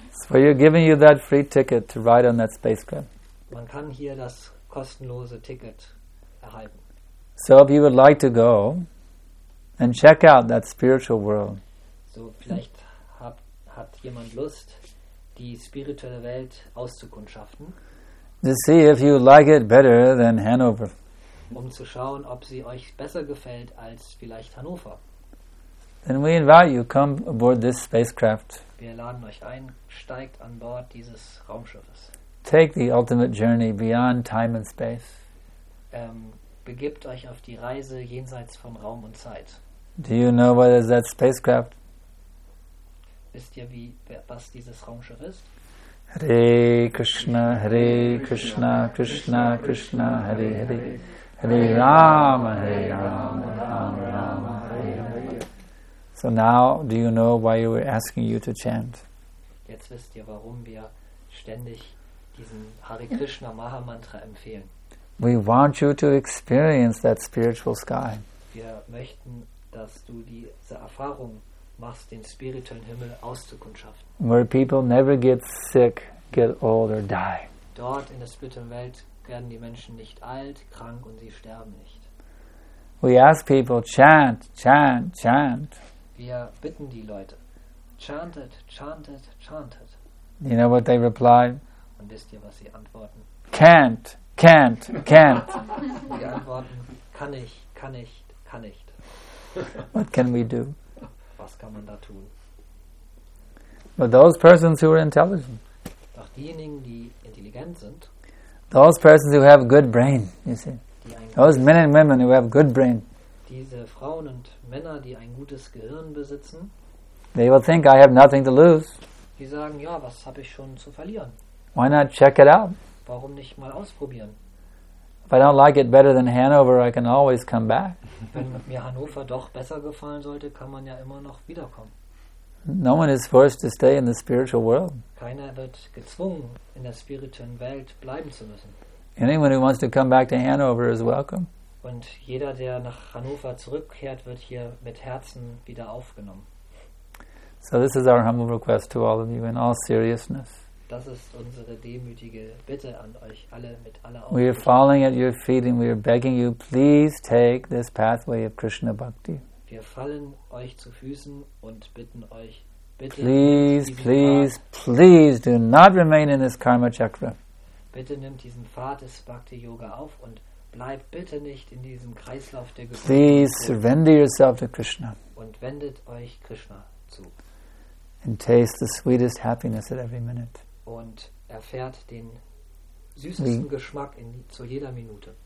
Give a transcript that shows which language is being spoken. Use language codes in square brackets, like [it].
[en] So we're giving you that free ticket to ride on that spacecraft. [de] Man kann hier das kostenlose Ticket erhalten. [en] So if you would like to go and check out that spiritual world. [de] So vielleicht hat jemand Lust, die spirituelle Welt auszukundschaften. [en] To see if you like it better than Hanover. [de] Um zu schauen, ob sie euch besser gefällt als vielleicht Hannover. [en] Then we invite you, come aboard this spacecraft. [de] Wir laden euch ein, steigt an Bord dieses Raumschiffes. [en] Take the ultimate journey beyond time and space. [de] Begibt euch auf die Reise jenseits von Raum und Zeit. [en] Do you know what is that spacecraft? [de] Wisst ihr, was dieses Raumschiff ist? [sa] Hare Krishna, Krishna, Krishna, Hare Hare, Hare Rama, Hare Rama, Rama Rama, Hare Hare. [en] So now, do you know why we were asking you to chant? [de] Jetzt wisst ihr, warum wir ständig diesen Hare Krishna Mahamantra empfehlen. [en] We want you to experience that spiritual sky. [de] Wir möchten, dass du diese Erfahrung machst, den spirituellen Himmel auszukundschaften. [en] Where people never get sick, get old or die. [de] Dort in der spirituellen Welt werden die Menschen nicht alt, krank und sie sterben nicht. [en] We ask people, chant, chant, chant. [de] Wir bitten die Leute, chantet, chantet, chantet. [en] You know what they reply? [de] Und wisst ihr, was sie antworten? [en] Can't, can't, can't. [de] Die antworten, kann ich, kann nicht, kann nicht. [en] What can we do? [de] Was kann man da tun? [en] But those persons who are intelligent. [de] Doch diejenigen, die intelligent sind. [en] Those persons who have good brain, you see. Those men and women who have good brain. [de] Diese Frauen und Männer, die ein gutes Gehirn besitzen. [en] They will think, I have nothing to lose. [de] Die sagen, ja, was habe ich schon zu verlieren? [en] Why not check it out? [de] Warum nicht mal ausprobieren? [en] If I don't like it better than Hanover, I can always come back. [de] Wenn mir Hannover doch besser gefallen sollte, kann man ja immer noch wiederkommen. [en] No one is forced to stay in the spiritual world. [de] Keiner wird gezwungen, in der spirituellen Welt bleiben zu müssen. [en] Anyone who wants to come back to Hanover is welcome. [de] Und jeder, der nach Hannover zurückkehrt, wird hier mit Herzen wieder aufgenommen. [en] So this is our humble request to all of you in all seriousness. [de] Das ist unsere demütige Bitte an euch alle mit aller Aufmerksamkeit. [en] We are falling at your feet and we are begging you, please take this pathway of Krishna Bhakti. [de] Wir fallen euch zu Füßen und bitten euch, bitte, [en] please, please, please do not remain in this karma chakra. [de] Bitte nimmt diesen Pfad des Bhakti Yoga auf und bleibt bitte nicht in diesem Kreislauf der Geburt. [en] Please surrender yourself to Krishna. [de] Und wendet euch Krishna zu. [en] And taste the sweetest happiness at every minute. [de] Und erfährt den süßesten Geschmack zu jeder Minute.